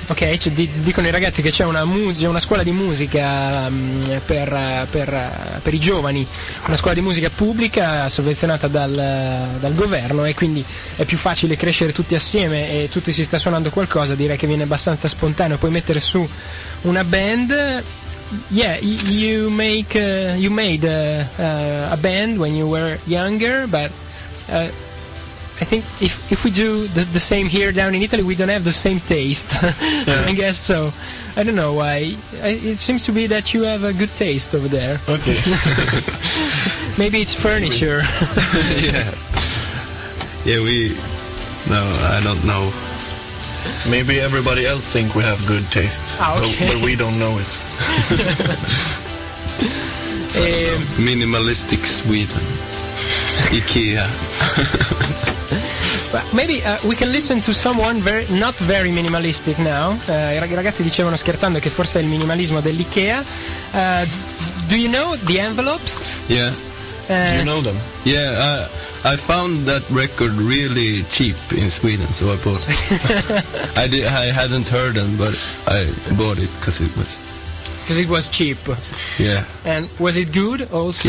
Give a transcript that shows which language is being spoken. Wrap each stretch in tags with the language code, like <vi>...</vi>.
<it>Ok, dicono i ragazzi che c'è una scuola di musica per i giovani, una scuola di musica pubblica sovvenzionata dal governo, e quindi è più facile crescere tutti assieme e tutti si sta suonando qualcosa, direi che viene abbastanza spontaneo. Puoi mettere su una band.</it> <en>Yeah, you made a band when you were younger, but I think if we do the same here down in Italy, we don't have the same taste. Yeah. I guess so. I don't know why. It seems to be that you have a good taste over there. Okay. Maybe it's furniture. No, I don't know. Maybe everybody else think we have good taste, but we don't know it. Minimalistic Sweden. IKEA. Maybe we can listen to someone not very minimalistic now.</en> <it>I ragazzi dicevano scherzando che forse è il minimalismo dell'IKEA.</it> <en>Do you know the Envelopes? Yeah. You know them? Yeah, I found that record really cheap in Sweden, so I bought it. I hadn't heard them, but I bought it because it was... Because it was cheap. Yeah. And was it good also?</en>